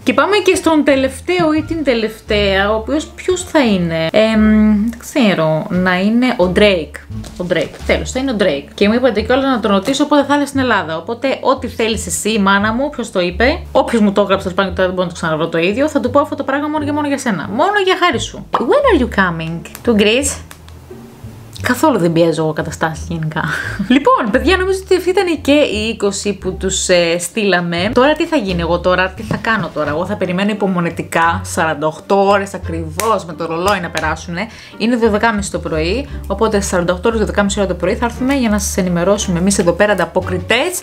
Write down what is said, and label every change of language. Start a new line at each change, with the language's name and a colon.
Greek: Και πάμε και στον τελευταίο ή την τελευταία, ο οποίος ποιος θα είναι. Δεν ξέρω, να είναι ο Drake. Ο Drake. Τέλος, θα είναι ο Drake. Και μου είπατε κιόλας να τον ρωτήσω πότε θα είναι στην Ελλάδα. Οπότε, ό,τι θέλεις εσύ, η μάνα μου, ποιος το είπε. Όποιος μου το έγραψε, πάνω και δεν μπορώ να το ξαναβρω το ίδιο, θα του πω αυτό το πράγμα μόνο και μόνο για σένα. Μόνο για χάρη σου.
English: When are you coming to Greece?
Greek: Καθόλου δεν πιέζω εγώ καταστάσεις γενικά. Λοιπόν, παιδιά, νομίζω ότι αυτή ήταν και οι 20 που τους στείλαμε. Τώρα τι θα γίνει εγώ τώρα, τι θα κάνω τώρα. Εγώ θα περιμένω υπομονετικά 48 ώρες ακριβώς με το ρολόι να περάσουν. Είναι 12.30 το πρωί, οπότε 48 ώρες, 12.30 ώρα το πρωί θα έρθουμε για να σας ενημερώσουμε εμείς εδώ πέρα ανταποκριτές.